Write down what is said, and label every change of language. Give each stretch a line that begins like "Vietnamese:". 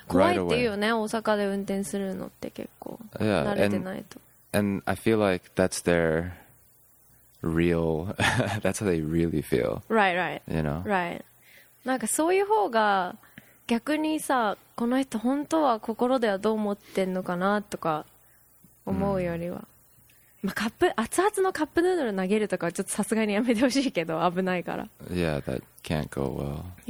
Japanese: 怖いっていうよね、大阪で運転するのって結構慣れてないと。
English: And I feel like that's their real, that's how they really feel. Right, right. You know? Right.
Japanese: なんかそういう方が逆にさ、この人本当は心ではどう思ってんのかなとか思うよりは。まあ、カップ熱々のカップヌードル投げるとかちょっとさすがにやめてほしいけど、危ないから。
English: Yeah, that can't go well.